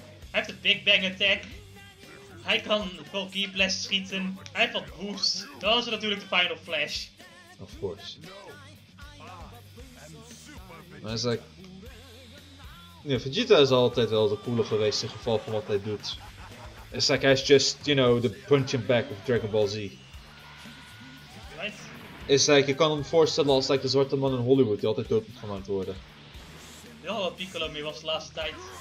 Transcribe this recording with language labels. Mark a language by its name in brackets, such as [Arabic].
[Dutch] Hij heeft een big bang attack. Hij kan vol key blast schieten. Hij heeft wat boost. Dan is er natuurlijk de final flash. [English] Of course. [Dutch] Maar hij is Vegeta is altijd wel de coole geweest in geval van wat hij doet. [English] It's like he's just, you know, the punching back of Dragon Ball Z. Right? It's like, [Dutch] je kan hem voorstellen als de zwarte man in Hollywood die altijd dood moet gemaakt worden. Ja, wat Piccolo mee was de laatste tijd.